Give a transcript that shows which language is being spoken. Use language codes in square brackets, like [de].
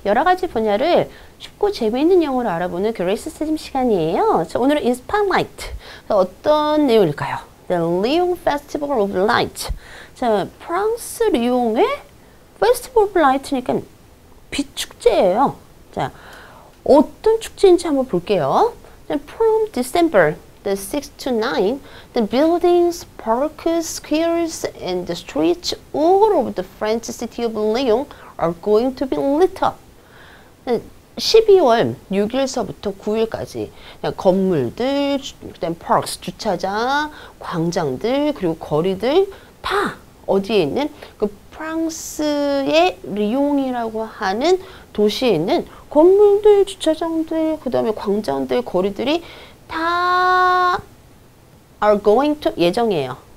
[ko] 여러 가지 분야를 쉽고 재미있는 영어로 알아보는 그레이스 쌤 시간이에요. 자, 오늘은 인스팟라이트. 어떤 내용일까요? [en] The Lyon Festival of Light. [ko] 자, 프랑스 리옹의 Festival of Light니까 빛 축제예요. 자, 어떤 축제인지 한번 볼게요. [en] From December the 6th to 9th, the buildings, parks, squares, and the streets all over the French city of Lyon are going to be lit up. [ko] 12월 6일서부터 9일까지 건물들, 그다음 parks 주차장, 광장들 그리고 거리들 다 어디에 있는 그 프랑스의 리옹이라고 하는 도시에 있는 건물들, 주차장들, 그다음에 광장들, 거리들이 다 are going to 예정이에요.